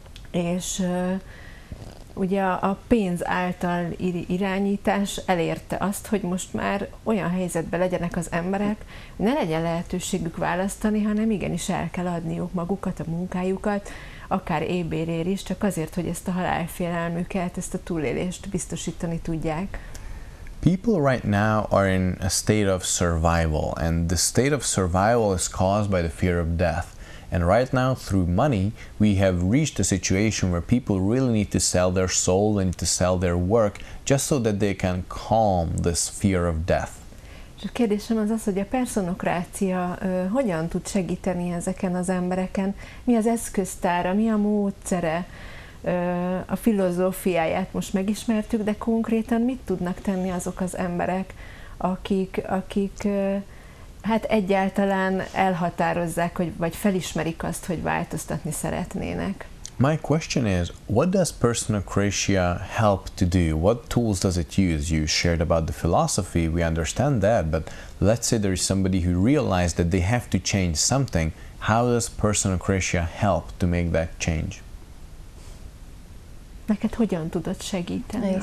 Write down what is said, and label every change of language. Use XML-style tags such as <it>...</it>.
<hu>És ugye a pénz által irányítás elérte azt, hogy most már olyan helyzetben legyenek az emberek, ne legyen lehetőségük választani, hanem igenis el kell adniuk magukat, a munkájukat, akár ébérért is, csak azért, hogy ezt a halálfélelmüket, ezt a túlélést biztosítani tudják.</hu> <en>People right now are in a state of survival, and the state of survival is caused by the fear of death. And right now, through money, we have reached a situation where people really need to sell their soul, they need to sell their work, just so that they can calm this fear of death.</en> <hu>És a kérdésem az az, hogy a perszonokrácia hogyan tud segíteni ezeken az embereken? Mi az eszköztára, mi a módszere? A filozófiáját most megismertük, de konkrétan mit tudnak tenni azok az emberek, akik hát egyáltalán elhatározzák, hogy vagy felismerik azt, hogy változtatni szeretnének.</hu> <en>My question is, what does personocratia help to do? What tools does it use? You shared about the philosophy, we understand that, but let's say there is somebody who realized that they have to change something. How does personocratia help to make that change?</en> <hu>Neked hogyan tudod segíteni?</hu>